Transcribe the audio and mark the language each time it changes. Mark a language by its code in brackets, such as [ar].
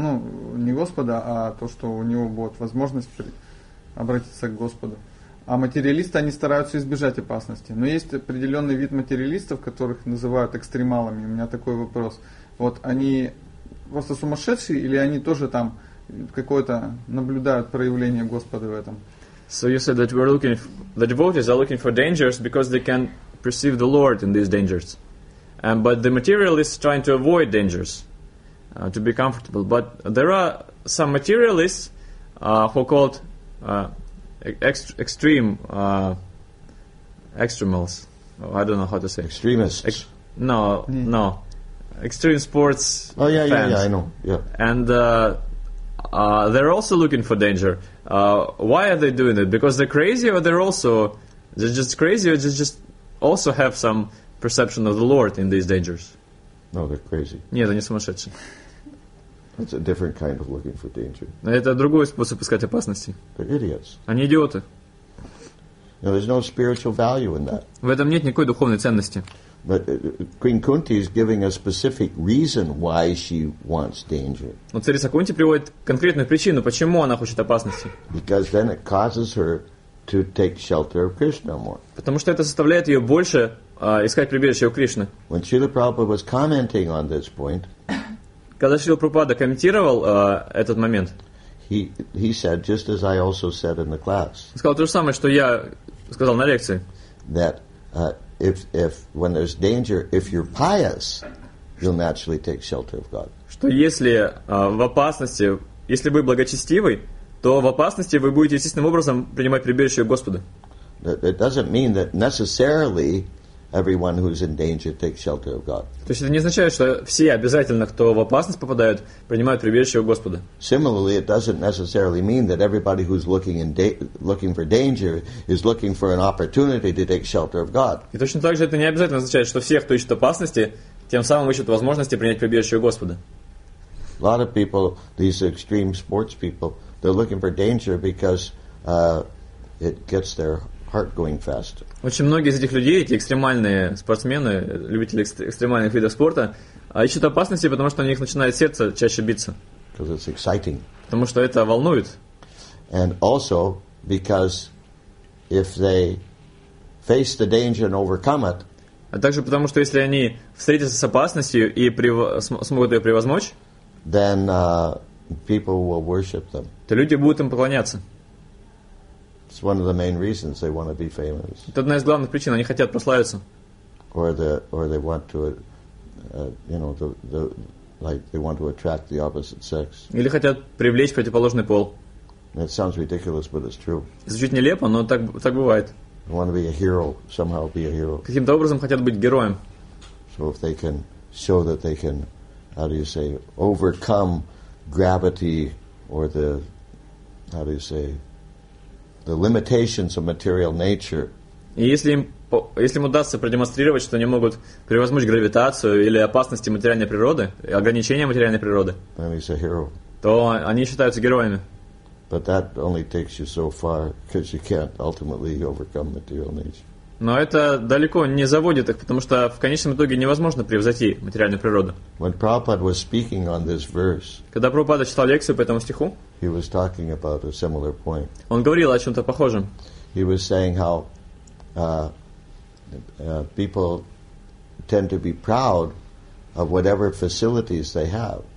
[ru] Ну, не Господа, а то, что у него будет возможность обратиться к Господу. А материалисты, они стараются избежать опасности. Но есть определенный вид материалистов, которых называют экстремалами. У меня такой вопрос. Вот они просто сумасшедшие или они тоже там какое-то наблюдают проявление Господа в этом? [en] So you said that we're looking, the devotees are looking for dangers because they can perceive the Lord in these dangers. But the materialists are trying to avoid dangers, to be comfortable. But there are some materialists who are called extremals. Oh, I don't know how to say. Extremists. No. Extreme sports fans. Oh, yeah, I know. Yeah. And they're also looking for danger. Why are they doing it? Because they're crazy or they're just crazy or just also have some perception of the Lord in these dangers? No, they're crazy. [ru] Нет, они сумасшедшие. [en] That's a different kind of looking for danger. [ru] Это другой способ искать опасности. [en] They're idiots. [ru] Они идиоты. [en] Now, there's no spiritual value in that. [ru] В этом нет никакой духовной ценности. [en] But Queen Kunti is giving a specific reason why she wants danger. [ru] Но царица Кунти приводит конкретную причину, почему она хочет опасности. [en] Because then it causes her to take shelter of Krishna more. [ru] Потому что это заставляет ее больше искать прибежище у Кришны. [en] When Srila Prabhupada was commenting on this point, [ru] когда Шрила Прабхупада комментировал этот момент, [en] he said, just as I also said in the class, [ru] сказал то же самое, что я сказал на лекции, [en] that if when there's danger, if you're pious, you'll naturally take shelter of God. [ru] Что если в опасности, если вы благочестивый, то в опасности вы будете естественным образом принимать прибежище у Господа. [en] It doesn't mean that necessarily everyone who's in danger takes shelter of God. [ru] То есть это не означает, что все обязательно, кто в опасность попадают, принимают прибежище у Господа. [en] Similarly, it doesn't necessarily mean that everybody who's looking for danger is looking for an opportunity to take shelter of God. [ru] И точно так же это не обязательно означает, что все, кто ищет опасности, тем самым ищут возможности принять прибежище у Господа. [en] A lot of people, these extreme sports people, they're looking for danger because it gets their heart going fast. [ru] Очень многие из этих людей, эти экстремальные спортсмены, любители экстремальных видов спорта, ищут опасности, потому что у них начинает сердце чаще биться. [en] Because it's exciting. [ru] Потому что это волнует. [en] And also because if they face the danger and overcome it, [ru] а также потому что если они встретятся с опасностью и смогут ее превозмочь, [en] then people will worship them. [ru] То люди будут им поклоняться. [en] It's one of the main reasons they want to be famous. [ru] Это одна из главных причин, они хотят прославиться. [en] Or they want to, you know, the like they want to attract the opposite sex. [ru] Или хотят привлечь противоположный пол. [en] It sounds ridiculous, but it's true. [ru] Звучит нелепо, но так бывает. [en] They want to be a hero, somehow be a hero. [ru] Каким-то образом хотят быть героем. [en] So if they can show that they can, how do you say, overcome gravity or the, how do you say, the limitations of material nature. [ru] И если им удастся продемонстрировать, что они могут превозмочь гравитацию или опасности материальной природы, ограничения материальной природы, [en] then he's a hero. [ru] То они считаются героями. [en] But that only takes you so far, because you can't ultimately overcome material nature. [ru] Но это далеко не заводит их, потому что в конечном итоге невозможно превзойти материальную природу. [en] When Prabhupada was speaking on this verse, [ru] когда Прабхупада читал лекцию по этому стиху, [en] he was talking about a similar point. [ru] Он говорил о чем-то похожем. [en] He was saying how people tend to be proud of whatever facilities they have.